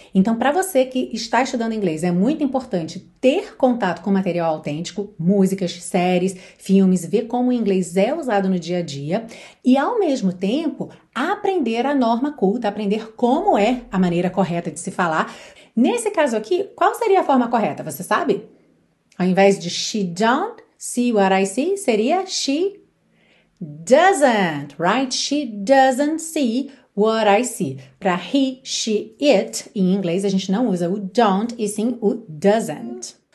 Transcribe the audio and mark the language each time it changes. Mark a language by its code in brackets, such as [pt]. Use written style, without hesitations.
[pt] Então para você que está estudando inglês, é muito importante ter contato com material autêntico, músicas, séries, filmes, ver como o inglês é usado no dia a dia e ao mesmo tempo aprender a norma culta, aprender como é a maneira correta de se falar. Nesse caso aqui, qual seria a forma correta? Você sabe? Ao invés de [en] she don't see what I see, [pt] seria [en] she doesn't, [pt] right? [en] She doesn't see what I see. [pt] Para he, she, it, em inglês, a gente não usa o don't e sim o doesn't.